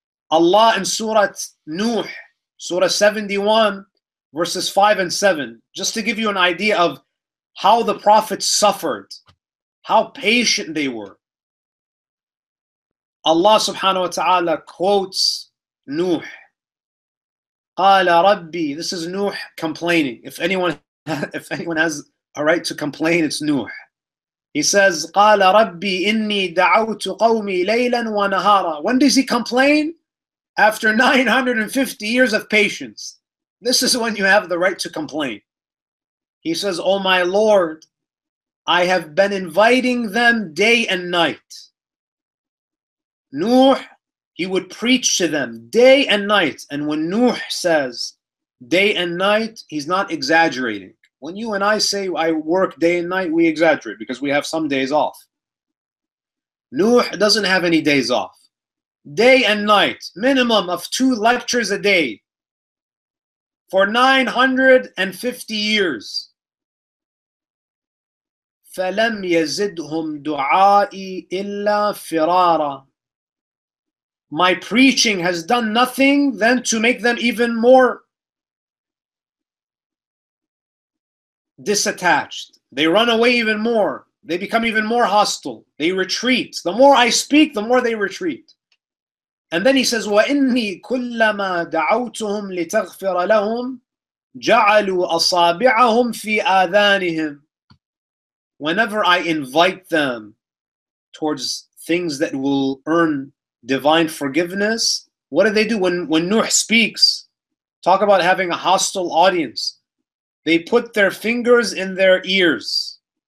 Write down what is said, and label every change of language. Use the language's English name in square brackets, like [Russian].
[English] Allah in Surah Nuh, Surah 71, verses 5 and 7, just to give you an idea of how the prophets suffered, how patient they were. Allah subhanahu wa ta'ala quotes Nuh. [Arabic] قَالَ رَبِّي. [English] This is Nuh complaining. If anyone has a right to complain, it's Nuh. He says, [Arabic] قَالَ رَبِّي إِنِّي دَعَوْتُ قَوْمِي لَيْلًا وَنَهَارًا. [English] When does he complain? After 950 years of patience. This is when you have the right to complain. He says, oh my Lord, I have been inviting them day and night. Nuh, he would preach to them day and night. And when Nuh says day and night, he's not exaggerating. When you and I say I work day and night, we exaggerate because we have some days off. Nuh doesn't have any days off. Day and night, minimum of 2 lectures a day for 950 years. [Arabic] فَلَمْ يَزِدْهُمْ دُعَاءِ إِلَّا فِرَارًا. [English] My preaching has done nothing than to make them even more disattached. They run away even more. They become even more hostile. They retreat. The more I speak, the more they retreat. And then he says, [Arabic] وَإِنِّي كُلَّمَا دَعَوْتُهُمْ لِتَغْفِرَ لَهُمْ جَعَلُوا أَصَابِعَهُمْ فِي آذَانِهِمْ. [English] Whenever I invite them towards things that will earn divine forgiveness, what do they do? When Nuh speaks, talk about having a hostile audience. They put their fingers in their ears.